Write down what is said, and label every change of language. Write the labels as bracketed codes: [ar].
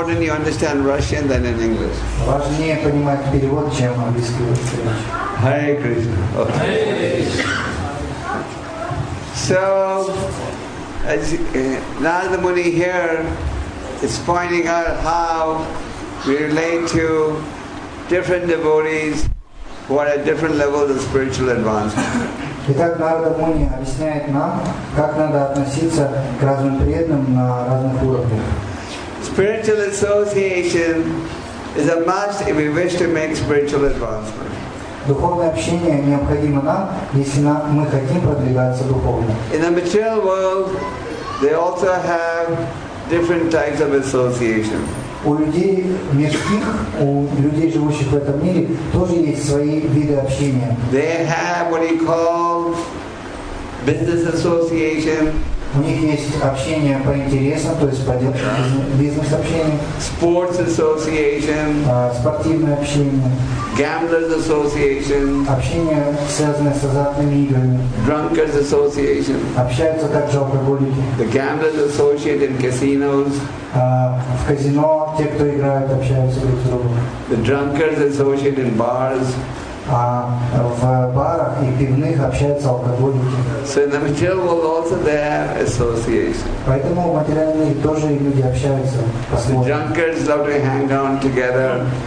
[en] Understand Russian than in English. [ru] Важнее понимать перевод, чем английский. [sa] Hare Krishna. [en] Okay. So, as Narada Muni here is pointing out how we relate to different devotees who are at different levels of spiritual advancement. [ru] Итак, Нарада Муни объясняет нам, как надо относиться к разным преданным на разных уровнях. [en] Spiritual association is a must if we wish to make spiritual advancement. [ru] Духовное общение необходимо нам, если мы хотим продвигаться духовно. [en] In the material world, they also have different types of association. [ru] У людей мирских, у людей, живущих в этом мире, тоже есть свои виды общения. [en] They have what he calls business association. [ru] У них есть общение по интересам, то есть по бизнес общение. [en] Sports association. [ru] Спортивное общение. [en] Gamblers association. [ru] Общение, связанное с азартными играми. [en] Drunkards association. [ru] Общаются также алкоголики. [en] The gamblers associate in casinos. [ru] В казино те, кто играет, общаются друг с другом. [en] The drunkards associate in bars. [ru] а в барах и пивных общаются алкоголики. [en] So in the material also they have association. [ru] Поэтому в материальном мире тоже люди общаются. [en] So junkers love to hang on together.